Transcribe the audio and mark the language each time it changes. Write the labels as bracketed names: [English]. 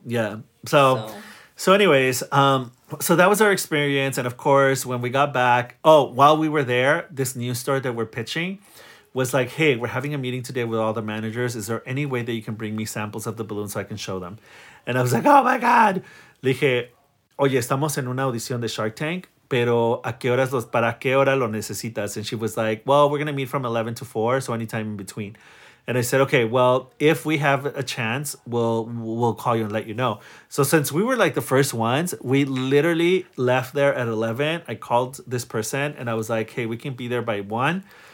[English] Yeah. So anyways, so that was our experience. And of course, when we got back, while we were there, this new store that we're pitching was like, hey, we're having a meeting today with all the managers. Is there any way that you can bring me samples of the balloon so I can show them? And I was like, oh my God. [Spanish] Le dije, oye, estamos en una audición de Shark Tank. Pero a qué horas los para qué hora lo necesitas? [English] And she was like, well, we're gonna meet from 11 to 4, so anytime in between. And I said, okay, well, if we have a chance, we'll call you and let you know. So since we were like the first ones, we literally left there at 11. I called this person and I was like, hey, we can be there by 1.